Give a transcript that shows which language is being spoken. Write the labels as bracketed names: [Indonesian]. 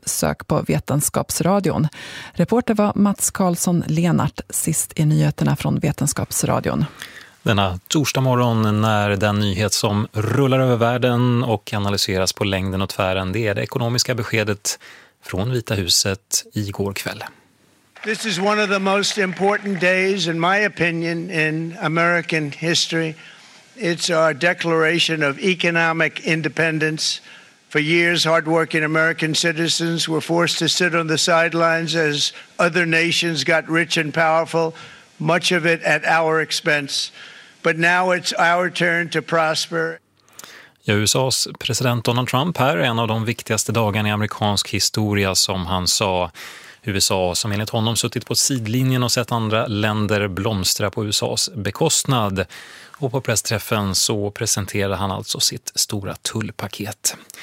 [Swedish] Sök på Vetenskapsradion. Reporter var Mats Karlsson Lenart, sist i nyheterna från Vetenskapsradion. Denna torsdag morgon när den nyhet som rullar över världen och analyseras på längden och tvären, det är det ekonomiska beskedet från Vita huset igår kväll. [English] This is one of the most important days, in my opinion, in American history. It's our declaration of economic independence. For years, hardworking American citizens were forced to sit on the sidelines as other nations got rich and powerful, much of it at our expense. But now it's our turn to prosper. [Swedish] Ja, USAs president Donald Trump här är en av de viktigaste dagarna i amerikansk historia, som han sa. USA som enligt honom suttit på sidlinjen och sett andra länder blomstra på USAs bekostnad. Och på pressträffen så presenterade han alltså sitt stora tullpaket.